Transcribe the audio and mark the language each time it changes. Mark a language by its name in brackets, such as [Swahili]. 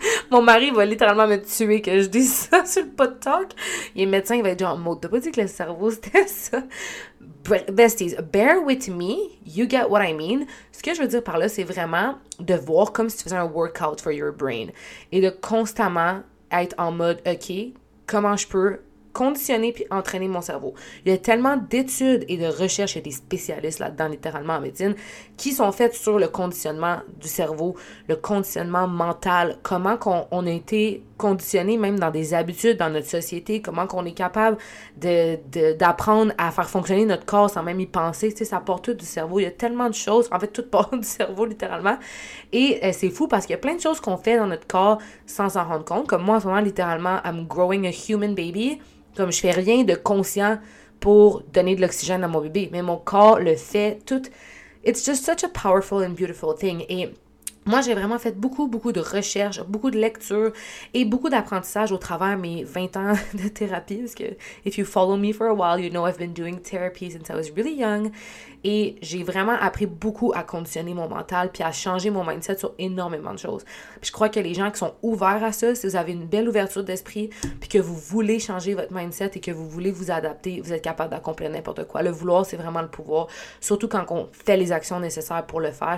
[French] Mon mari va littéralement me tuer que je dis ça sur le pod talk. Il est médecin, il va être genre, mode, t'as pas dit que le cerveau, c'était ça? [English] Besties, bear with me, you get what I mean. [French] Ce que je veux dire par là, c'est vraiment de voir comme si tu faisais un [English] workout for your brain [French] et de constamment être en mode, OK, comment je peux conditionner puis entraîner mon cerveau. Il y a tellement d'études et de recherches, il y a des spécialistes là-dedans, littéralement en médecine, qui sont faites sur le conditionnement du cerveau, le conditionnement mental, comment qu'on a été conditionné même dans des habitudes dans notre société, comment qu'on est capable d'apprendre à faire fonctionner notre corps sans même y penser. Tu sais, ça part tout du cerveau. Il y a tellement de choses. En fait, tout part du cerveau, littéralement. Et c'est fou parce qu'il y a plein de choses qu'on fait dans notre corps sans s'en rendre compte. Comme moi, en ce moment, littéralement, [English] I'm growing a human baby. [French] Comme je fais rien de conscient pour donner de l'oxygène à mon bébé. Mais mon corps le fait tout. [English] It's just such a powerful and beautiful thing. [French] Et moi, j'ai vraiment fait beaucoup, beaucoup de recherches, beaucoup de lectures et beaucoup d'apprentissage au travers mes 20 ans de thérapie. Parce que [English] if you follow me for a while, you know I've been doing therapy since I was really young. [French] Et j'ai vraiment appris beaucoup à conditionner mon mental puis à changer mon mindset sur énormément de choses. Puis je crois que les gens qui sont ouverts à ça, si vous avez une belle ouverture d'esprit puis que vous voulez changer votre mindset et que vous voulez vous adapter, vous êtes capable d'accomplir n'importe quoi. Le vouloir, c'est vraiment le pouvoir, surtout quand on fait les actions nécessaires pour le faire.